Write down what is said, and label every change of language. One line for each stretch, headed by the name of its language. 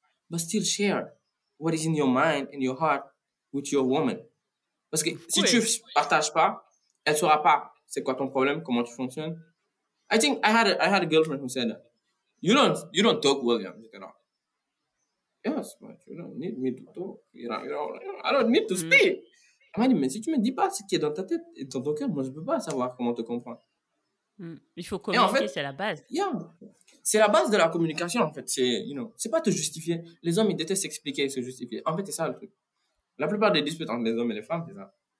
English: but still share what is in your mind and your heart with your woman.
French: Parce que si tu ne partages pas, elle ne saura pas c'est quoi ton problème, comment tu fonctionnes.
English: I think I had a girlfriend who said that. You don't talk, William. You cannot. Yes, but you don't need me to talk. You don't, I don't need to speak. Mm.
French: Elle m'a dit, mais si tu ne me dis pas ce qui est dans ta tête et dans ton cœur, moi, je ne peux pas savoir comment te comprendre. Mm. Il faut communiquer, en fait, c'est la base.
English: Yeah.
French: C'est la base de la communication, en fait. C'est pas te justifier. Les hommes, ils détestent s'expliquer et se justifier. En fait, c'est ça, le truc. La plupart des disputes entre les hommes et les femmes, c'est ça.